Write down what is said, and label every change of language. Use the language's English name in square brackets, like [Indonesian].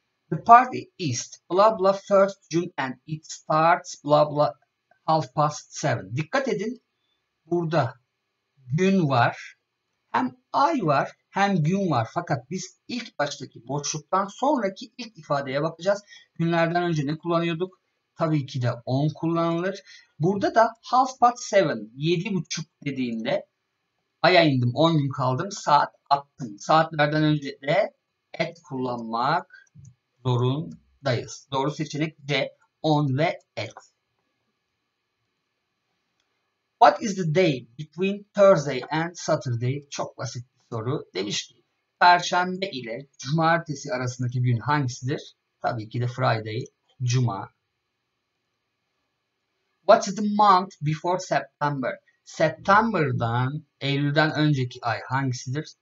[English] The party is blah blah first June and it starts blah blah Half past seven. [Turkish] Dikkat edin, burada gün var, hem ay var, hem gün var. Fakat biz ilk baştaki boşluktan sonraki ilk ifadeye bakacağız. Günlerden önce ne kullanıyorduk? Tabii ki de on kullanılır. Burada da half past seven, 7:30 dediğinde aya indim, 10 gün kaldım, saat attım. Saatlerden önce de at kullanmak zorundayız. Doğru seçenek C, on ve at. [English] What is the day between Thursday and Saturday? [Turkish] Çok basit bir soru. Demiş ki, Perşembe ile Cumartesi arasındaki gün hangisidir? Tabii ki de Friday, Cuma. [English] What is the month before September? [Turkish] September'dan, Eylül'den önceki ay hangisidir?